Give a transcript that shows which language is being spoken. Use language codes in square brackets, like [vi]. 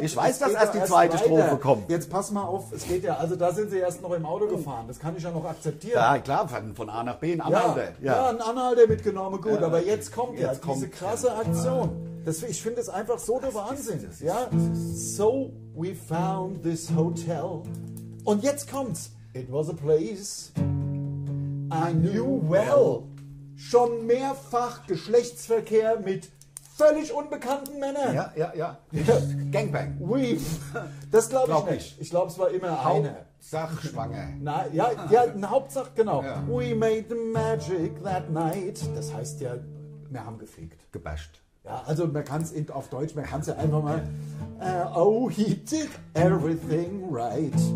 [de] Ich weiß, dass erst die zweite Strophe kommt. Jetzt pass mal auf, es geht ja, also da sind sie erst noch im Auto gefahren, das kann ich ja noch akzeptieren. Ja, klar, von A nach B, ein Anhalter. Ja, ein Anhalter mitgenommen, gut, aber jetzt kommt jetzt ja kommt diese krasse Aktion. Ich finde es einfach so der Wahnsinn. [en] So we found this hotel. [de] Und jetzt kommt's. [en] It was a place I knew well. [de] Schon mehrfach Geschlechtsverkehr mit völlig unbekannten Männern. Ja. Gangbang. Das glaube ich nicht. Ich glaube, es war immer eine. Hauptsache schwanger. Hauptsache, genau. Ja. [en] We made the magic that night. [de] Das heißt ja, wir haben gefickt. Gebasht. Ja, also man kann es auf Deutsch, man kann es ja einfach mal. [en] Oh, he did everything right.